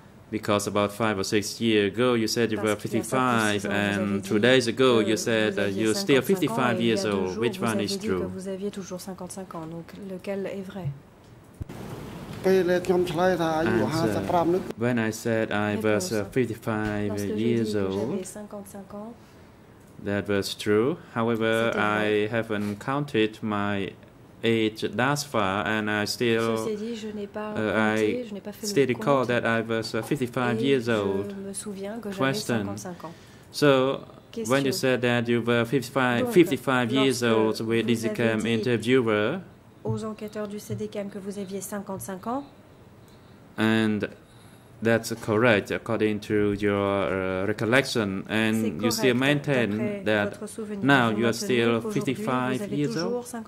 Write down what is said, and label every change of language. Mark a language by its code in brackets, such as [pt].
[en] Because about 5 or 6 years ago, you said you were 55, and 2 days ago, you said that you're still 55 years old. Which one is true? [fr] Vous aviez toujours 55 ans, donc lequel est vrai? [en] When I said I was 55 years old, that was true. However, I haven't counted my age thus far, and I still recall that I was 55 years old. Question. So, when you said that you were 55 years old with the DCCAM interviewer, [fr] aux enquêteurs du CDCAM que vous aviez 55 ans, [en] and that's correct according to your recollection, and you still maintain that now you are still 55 years old?